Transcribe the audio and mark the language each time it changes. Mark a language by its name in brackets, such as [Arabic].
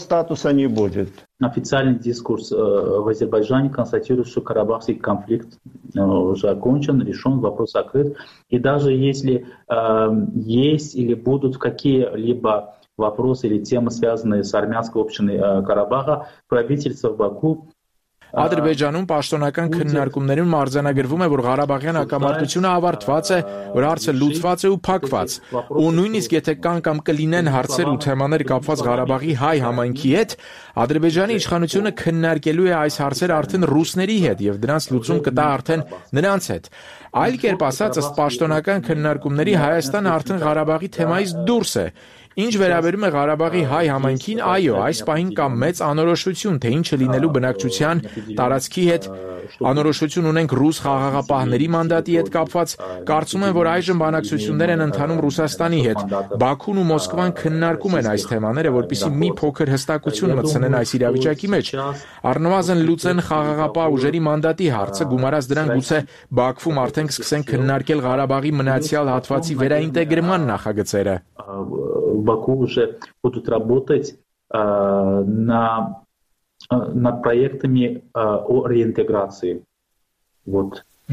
[Russian] Официальный дискурс в Азербайджане констатирует, что Карабахский конфликт уже окончен, решен, вопрос закрыт. И даже если есть или будут какие-либо вопросы или темы, связанные с армянской общиной Карабаха, правительство в Баку... [Armenian] Ադրբեջանում պաշտոնական քննարկումներում արձանագրվում է, որ Ղարաբաղյան հակամարտությունը ավարտված է, որ հարցը լուծված է ու փակված։ Ու նույնիսկ եթե կան կամ կլինեն հարցեր ու թեմաներ կապված Ղարաբաղի հայ համայնքի հետ, Ադրբեջանի իշխանությունը քննարկելու է այս հարցերը արդեն ռուսների հետ եւ դրանց լուծում կտա արդեն նրանց հետ։ Այլ կերպ ասած, ըստ պաշտոնական քննարկումների Հայաստանը արդեն Ղարաբաղի թեմայից դուրս է։ Ինչ վերաբերում է Ղարաբաղի հայ համայնքին, այո, այս պահին կա մեծ անորոշություն, թե ինչը լինելու բնակչության տարածքի հետ։ Անորոշություն ունենք ռուս խաղաղապահների մանդատի հետ կապված։ Կարծում եմ, որ այժմ բանակցություններ են ընդանում Ռուսաստանի հետ։ Բաքուն ու Մոսկվան քննարկում են այս թեմաները, որպիսի մի փոքր հստակություն մտցնեն այս իրավիճակի մեջ։ Առնվազն լուծեն խաղաղապահ ուժերի մանդատի հարցը, գումարած դրան գուցե Բաքվում արդեն կսկսեն քննարկել Ղարաբաղի մնացյալ հատվածի վերաինտեգրման նախագծերը։ [Russian] Баку уже будут работать над проектами о реинтеграции. Вот.